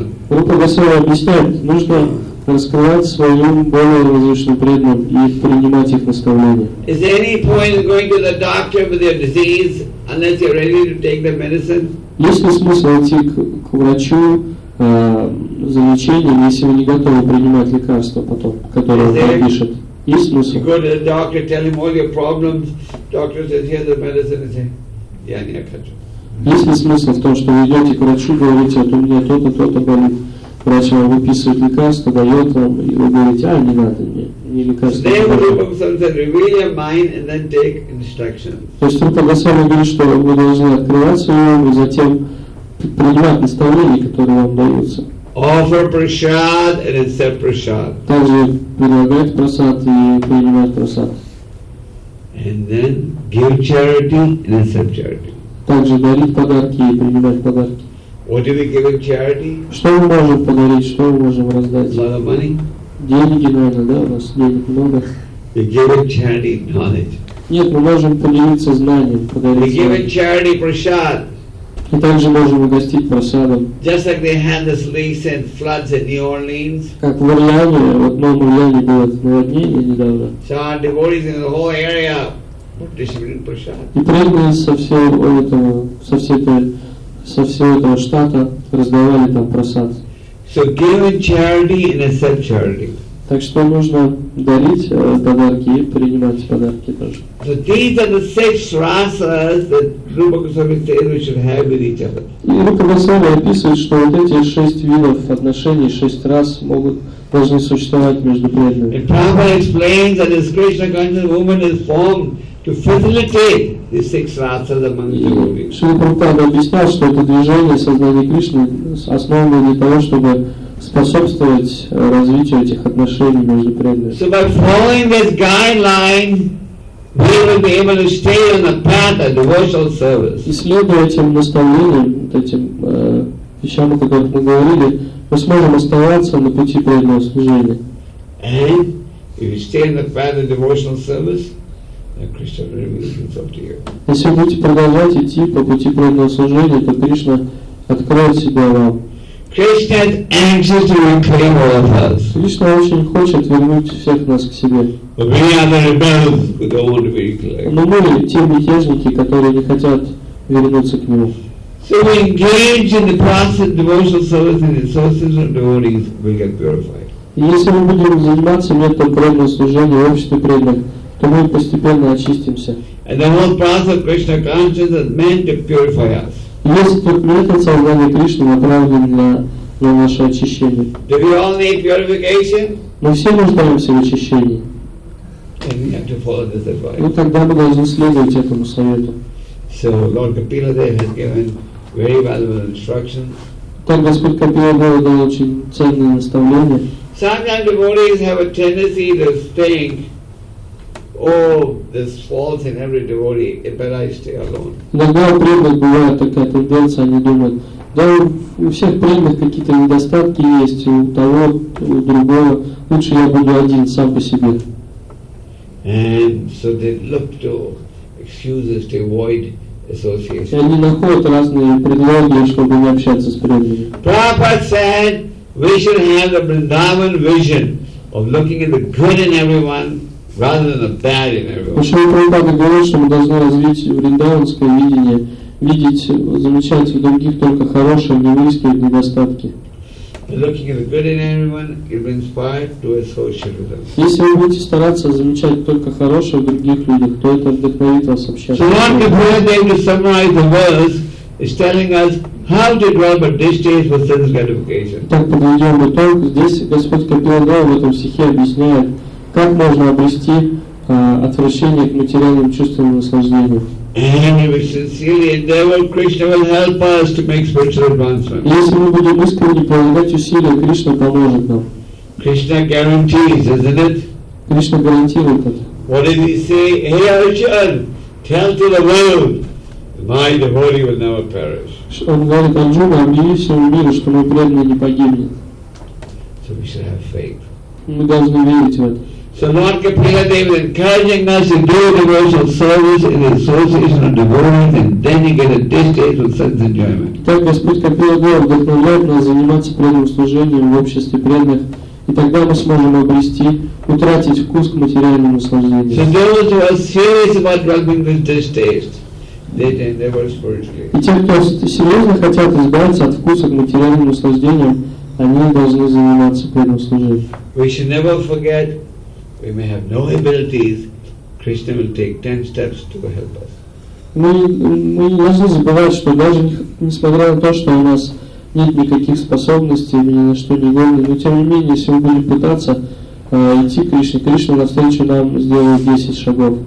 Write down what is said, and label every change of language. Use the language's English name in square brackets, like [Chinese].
[Russian] Рупа Госвами объясняет, нужно раскрывать свой ум более возвышенным преданным и принимать их наставления. [English] Is there any point in going to the doctor with your disease unless you're ready to take the medicine? [Russian] Есть ли смысл идти к врачу за лечением, если вы не готовы принимать лекарства потом, которые он пропишет? Есть смысл? [English] You go to the doctor, tell him all your problems. Doctor says, here's the medicine. He says, yeah, I need a cut. [Russian] Есть смысл в том, что вы идете к врачу, говорите, вот у меня то-то, то-то болит. Врач вам выписывает лекарство, дает вам, и вы говорите, а, не надо, не лекарство. [English] Reveal your mind and then take instructions. [Russian] То есть Рупа Госвами говорит, что вы должны открывать свой ум и затем принимать наставления, которые вам даются. [English] Offer prasad and accept prasad. [Russian] Также предлагает прасад и принимает прасад. [English] And then give charity and accept charity. [Russian] Также дарить подарки и принимать подарки. [English] What do we give in charity? [Russian] Что мы можем подарить, что мы можем раздать? [English] A lot of money? [Russian] Деньги, наверное, да, у нас денег много. [English] We give in charity knowledge. [Russian] Нет, мы можем поделиться знанием, подарить. [English] We give in charity prasad. [Russian] И также можем угостить просадом. [English] Just like they had the leaks and floods in New Orleans. [Russian] Как в Орлеане, в одном Орлеане было наводнение недавно. [English] So our devotees in the whole area were distributing prasad. [Russian] И преданные со всего этого штата раздавали там просад. [English] So give charity and accept charity. [Russian] Так что нужно дарить подарки и принимать подарки тоже. [English] So these are the six rasas that Rupa Goswami said we should have with each other. [Russian] И Рупа Госвами описывает, что вот эти шесть видов отношений, шесть рас могут должны существовать между преданными. [English] And Prabhupada explains that this Krishna conscious woman is formed to facilitate the six rasas among the devotees. [Russian] Шри Прабхупада объяснял, что это движение сознания Кришны основано для того, чтобы способствовать развитию этих отношений между преданными. [English] So by following this guideline, we will be able to stay on the path of devotional service. [Russian] Исследуя этим наставлением, вот этим вещам, о которых мы говорили, мы сможем оставаться на пути преданного служения. [English] And if you stay on the path of devotional service, then Krishna will reveal himself to you. [Russian] Если вы будете продолжать идти по пути преданного служения, то Кришна откроет себя вам. [English] Krishna is anxious to reclaim all of us. [Russian] Кришна очень хочет вернуть всех нас к себе. [English] But we are the rebels who don't want to be reclaimed. [Russian] Но мы те мятежники, которые не хотят вернуться к нему. [English] So we engage in the process of devotional service and the associations of devotees, we get purified. [Russian] Если мы будем заниматься методом преданного служения в обществе преданных, то мы постепенно очистимся. [English] And the whole process of Krishna consciousness is meant to purify us. [Russian] Есть тот метод сознания Кришны, направленный на наше очищение. [English] Do we all need purification? [Russian] Мы все нуждаемся в очищении. [English] And we have to follow this advice. [Russian] Ну тогда мы должны следовать этому совету. [English] So Lord Kapila Dev has given very valuable instructions. [Russian] Так Господь Капила Дева дал очень ценные наставления. [English] Sometimes devotees have a tendency to think, oh, there's fault in every devotee, but I stay alone. [Russian] Иногда у преданных бывает такая тенденция, они думают, да у всех преданных какие-то недостатки есть, у того, у другого, лучше я буду один, сам по себе. [English] And so they look to excuses to avoid association. [Russian] Они находят разные предлоги, чтобы не общаться с преданными. [English] Prabhupada said, we should have the Vrindavan vision of looking at the good in everyone, rather than the bad in everyone. [Russian] Шри Прабхупада говорит, что мы должны развить вриндаванское видение, видеть, замечать в других только хорошие, не выискивать недостатки. [English] Looking at the good in everyone, you'll be inspired to associate with them. [Russian] Если вы будете стараться замечать только хорошее в других людях, то это вдохновит вас общаться. [English] So Lord Kapila Dev, to summarize the verse, is telling us how to develop a distaste for sense gratification. [Russian] Так подведем итог. Здесь Господь Капила Дева в этом стихе объясняет, как можно обрести отвращение к материальным чувствам и наслаждениям. Если мы будем искренне прилагать усилия, Кришна поможет нам. [English] Krishna guarantees, isn't it? [Russian] Кришна гарантирует это. [English] What did he say? Hey Arjun, tell to the world, my devotee will never perish. [Russian] Он говорит Арджуна, объяви всему миру, что мой преданный не погибнет. [English] So we should have faith. [Russian] Мы должны верить в это. [English] So Lord Kapila Dev is encouraging us to do devotional service in the association of devotees, and then you get a distaste of sense enjoyment. [Russian] Так Господь Капила Дева вдохновляет нас заниматься преданным служением в обществе преданных, и тогда мы сможем обрести, утратить вкус к материальному наслаждению. [English] So those who are serious about dropping this distaste, they endeavor spiritually. [Russian] И те, кто серьезно хотят избавиться от вкуса к материальным наслаждениям, они должны заниматься преданным служением. [English] We should never forget. We may have no abilities, Krishna will take 10 steps to help us. [Russian] Мы не должны забывать, что даже несмотря на то, что у нас нет никаких способностей, мы ни на что не годны, но тем не менее, если мы будем пытаться идти к Кришне, Кришна навстречу нам сделает 10 шагов.